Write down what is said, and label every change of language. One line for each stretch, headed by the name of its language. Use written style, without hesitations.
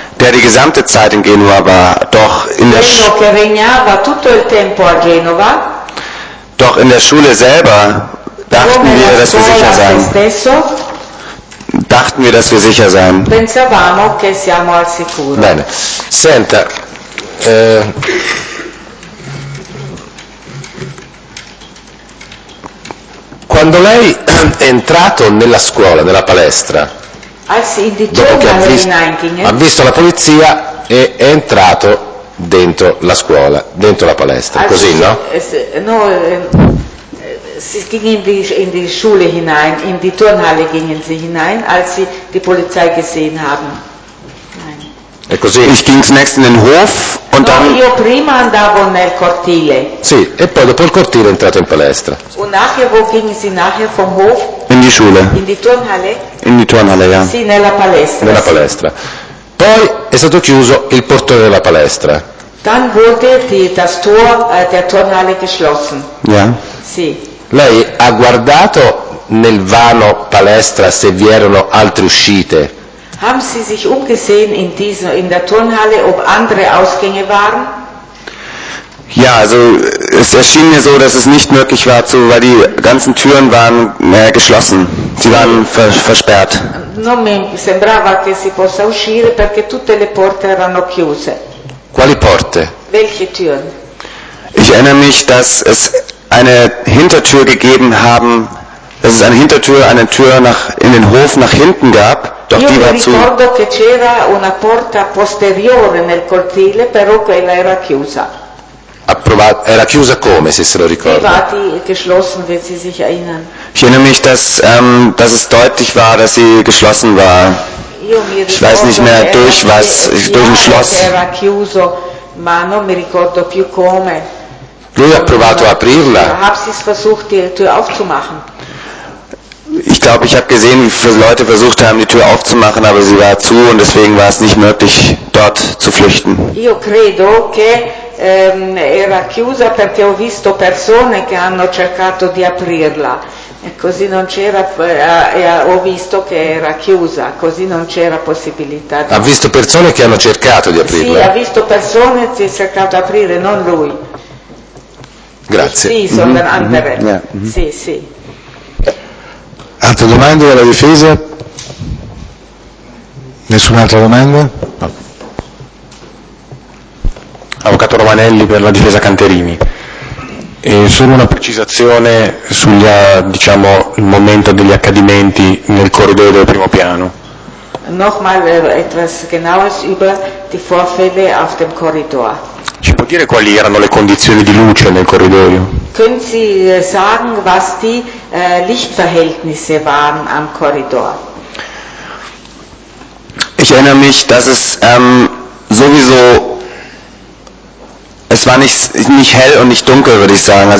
German: Der die gesamte Zeit in Genua war, doch in der Schule.
Italian: Regna war tutto il tempo a Genova.
German: Doch in der Schule selber dachten wir, dass wir sicher sein. Dachten wir, dass wir sicher sein.
Italian: Pensavamo che siamo al sicuro. Bene. Senta. Quando lei è entrato nella scuola, nella palestra, dopo che ha visto la polizia e è entrato dentro la scuola, dentro la palestra, così, no?
German: No, si ging in die Schule hinein, in die Turnhalle gingen sie hinein, als sie die Polizei gesehen haben. E così, ich ging zunächst in den Hof und
Italian: no,
German: dann
Italian: io prima andavo nel cortile. Sì, e poi dopo il cortile è entrato in palestra.
German: Und nachher, wo gingen Sie nachher vom Hof? In die Schule. In die Turnhalle? In die Turnhalle, ja.
Italian: Sì, nella palestra. Nella palestra. Poi è stato chiuso il portone della palestra.
German: Dann wurde das Tor der Turnhalle geschlossen. Ja. Yeah.
Italian: Sì. Lei ha guardato nel vano palestra se vi erano altre uscite?
German: Haben Sie sich umgesehen in der Turnhalle, ob andere Ausgänge waren? Ja, also es erschien mir so, dass es nicht möglich war, weil die ganzen Türen waren geschlossen. Sie waren versperrt.
Italian: Non mi sembrava che si possa uscire perché tutte le porte erano chiuse. Quali porte?
German: Welche Türen? Ich erinnere mich, dass es eine Hintertür gegeben haben, dass es eine Hintertür, eine Tür nach in den Hof nach hinten gab.
Italian: Io mi ricordo che c'era una porta posteriore nel cortile, però quella era chiusa. Era chiusa come, se se lo ricordo?
German: Privati, geschlossen, wenn Sie sich erinnern. Ich erinnere mich, dass es deutlich war, dass sie geschlossen war. Ich weiß nicht mehr durch was, durch ein Schloss.
Italian: Era chiuso, ma non mi ricordo più come. Lui ha provato a aprirla.
German: Habe sie versucht, die Tür aufzumachen. Ich glaube, ich habe gesehen, wie Leute versucht haben, die Tür aufzumachen, aber sie war zu und deswegen war es nicht möglich, dort zu flüchten.
Italian: Io credo che era chiusa perché ho visto persone che hanno cercato di aprirla. E così non c'era ho visto che era chiusa, così non c'era possibilità. Ha visto persone che hanno cercato di aprirla. Sì, ha visto persone che hanno cercato di aprire, non lui. Grazie. Sì, sono andere. Sì, sì. Altre domande della difesa? Nessun'altra domanda? No. Avvocato Romanelli per la difesa Canterini. E solo una precisazione sul diciamo, il momento degli accadimenti nel corridoio del primo piano.
German: nochmal etwas genaues über die Vorfälle auf dem Korridor.
Italian: Ci può dire quali erano le condizioni di luce nel corridoio?
German: Können Sie sagen, was die Lichtverhältnisse waren am Korridor? Ich erinnere mich, dass es sowieso, es war nicht hell und nicht dunkel, würde ich sagen. Also